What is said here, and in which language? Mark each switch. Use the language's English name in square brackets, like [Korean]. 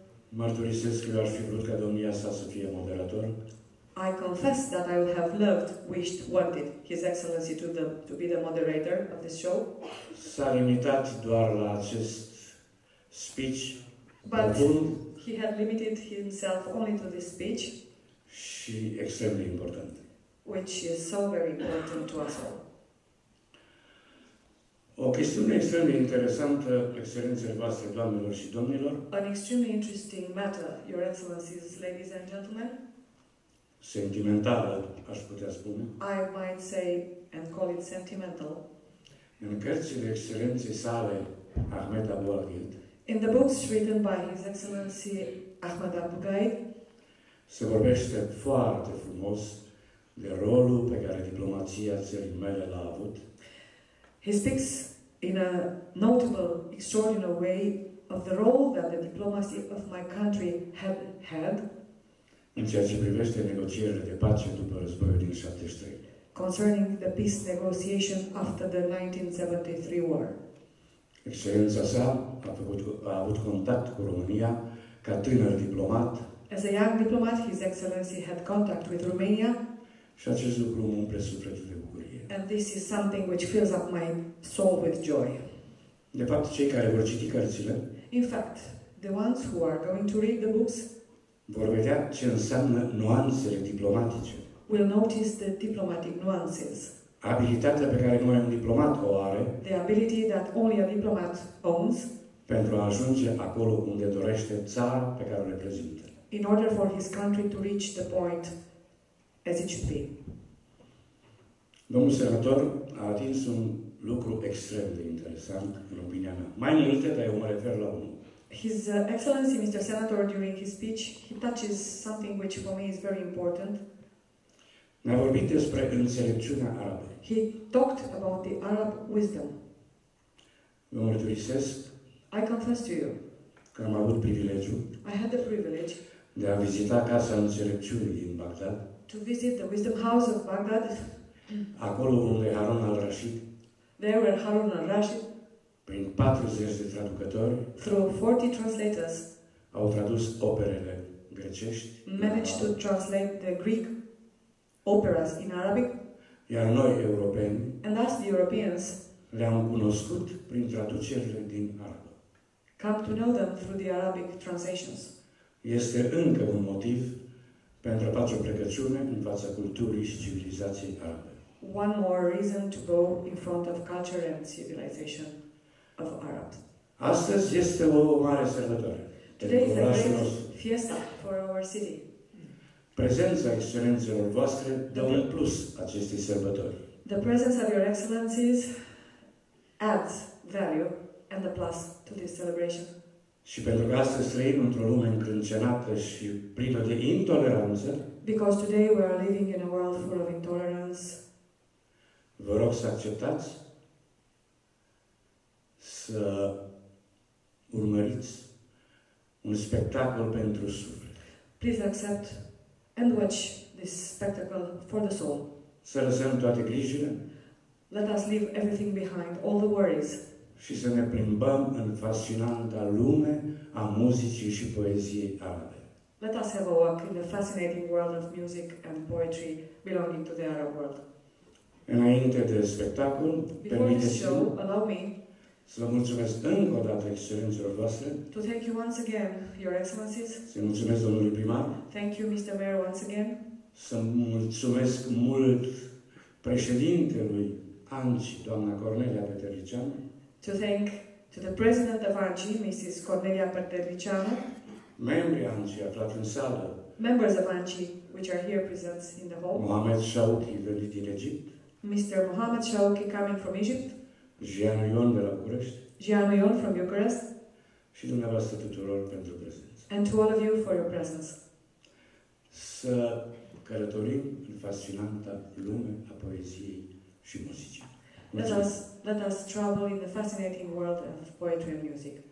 [Romanian] Mărturisesc că aș fi vrut ca domnia sa să fie moderator. [English] I confess that I would have loved, wished, wanted His Excellency to be the moderator of this show. [Romanian] S-a limitat doar la acest speech. [English] But he had limited himself only to this speech. [Romanian] Și extrem de important. [English] Which is so very important to us all. [Romanian] O chestiune extrem de interesantă, excelențele voastre, doamnelor și domnilor. [English] An extremely interesting matter, Your Excellencies, ladies and gentlemen. [Romanian] Sentimentală, aș putea spune. [English] I might say and call it sentimental. [Romanian] În cărțile excelenței sale, Ahmed Abu Ghaid. [English] In the books written by His Excellency Ahmed Abu Ghaid. [Romanian] Se vorbește foarte frumos de rolul pe care diplomația țării mele l-a avut. [English] He speaks in a notable, extraordinary way of the role that the diplomacy of my country had had [Romanian] în ceea ce privește negocierile de pace după războiul din 73. [English] Concerning the peace negotiation after the 1973 war. [Romanian] Excelența sa a avut contact cu România ca tânăr diplomat. [English] As a young diplomat, His Excellency had contact with Romania. [Romanian] Și acest lucru îmi umple sufletul de bucurie. [English] And this is something which fills up my soul with joy. [Romanian] De fapt, cei care vor citi cărțile, [English] in fact, the ones who are going to read the books, [Romanian] vor vedea ce înseamnă nuanțele diplomatice. [English] Will notice the diplomatic nuances. [Romanian] Abilitatea pe care numai un diplomat o are, [English] the ability that only a diplomat owns, [Romanian] pentru a ajunge acolo unde dorește țara pe care o reprezintă. [English] In order for his country to reach the point as it should be. [Romanian] Domnul senator a atins un lucru extrem de interesant în opinia mea. Mai multe, dar eu mă refer la unul. [English] His Excellency Mr. Senator during his speech, he touches something which for me is very important. [Romanian] Ne-a vorbit despre înțelepciunea arabă. [English] He talked about the Arab wisdom. [Romanian] Vă mărturisesc. [English] I confess to you. [Romanian] Că am avut privilegiul. [English] I had the privilege. [Romanian] De a vizita casa înțelepciunii din Bagdad. [English] To visit the Wisdom House of Baghdad. [Romanian] Acolo unde Harun al-Rashid. [English] There where Harun al-Rashid. [Romanian] Prin 40 de traducători. [English] Through 40 translators. [Romanian] Au tradus operele grecești. [English] Managed to translate the Greek operas in Arabic. [Romanian] Iar noi europeni. [English] And us the Europeans. [Romanian] Le-am cunoscut prin traducerile din arabă. [English] Come to know them through the Arabic translations. [Romanian] Este încă un motiv pentru a face o plecăciune în fața culturii și civilizației arabe. [English] One more reason to go in front of culture and civilization of Arab. [Romanian] Astăzi este o mare sărbătoare. [English] Today is a great fiesta for our city. [Romanian] Prezența excelențelor voastre dă un plus acestei sărbători. [English] The presence of your excellencies adds value and a plus to this celebration. [Romanian] Și pentru că astăzi trăim într-o lume încrâncenată și plină de intoleranță. [English] Because today we are living in a world full of intolerance. [Romanian] Vă rog să acceptați să urmăriți un spectacol pentru suflet. [English] Please accept and watch this spectacle for the soul. [Romanian] Să lăsăm toate grijile. [English] Let us leave everything behind, all the worries. [Romanian] Și să ne plimbăm în fascinanta lume a muzicii și poeziei arabe. [English] Let us have a walk in the fascinating world of music and poetry belonging to the Arab world. [Romanian] Înainte de spectacol, permiteți-mi să vă mulțumesc încă o dată excelențelor voastre. [English] To thank you once again, Your Excellencies. [Romanian] Să mulțumesc domnului primar. [English] Thank you, Mr. Mayor, once again. [Romanian] Să mulțumesc mult președintelui ANCI, doamna Cornelia Petrician. [English] To thank to the president of ANCI, Mrs. Cornelia Petrician. [Romanian] Membrii ANCI aflați în sală. [English] Members of ANCI, which are here present in the hall. [Romanian] Mohamed Shawki, venit din Egipt. [English] Mr. Mohamed Shawki, coming from Egypt. [Romanian] Gianu Ion de la București. [English] Gianu Ion from Bucharest. [Romanian] Și dumneavoastră tuturor pentru prezență. [English] And to all of you for your presence. [Romanian] Să călătorim în fascinanta lume a poeziei și muzicii. [English] Let us travel in the fascinating world of poetry and music.